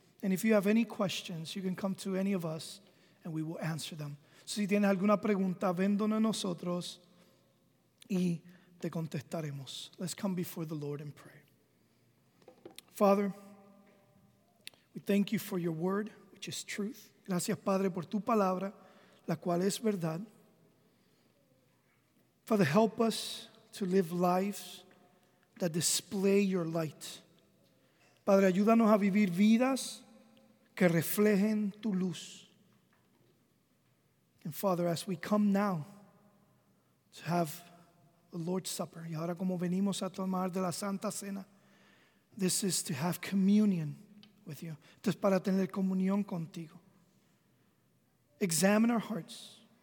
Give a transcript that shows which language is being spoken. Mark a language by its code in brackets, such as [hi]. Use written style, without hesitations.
[en] And if you have any questions, you can come to any of us and we will answer them. [es] So si tienes alguna pregunta, ven donde nosotros y te contestaremos. [en] Let's come before the Lord and pray. Father, we thank you for your word, which is truth. [es] Gracias, Padre, por tu palabra, la cual es verdad. [en] Father, help us to live lives that display your light. [es] Padre, ayúdanos a vivir vidas que reflejen tu luz. [en] And Father, as we come now to have the Lord's Supper, [es] y ahora como venimos a tomar de la Santa Cena, [en] this is to have communion with you. [es] Esto es para tener comunión contigo. [en] Examine our hearts.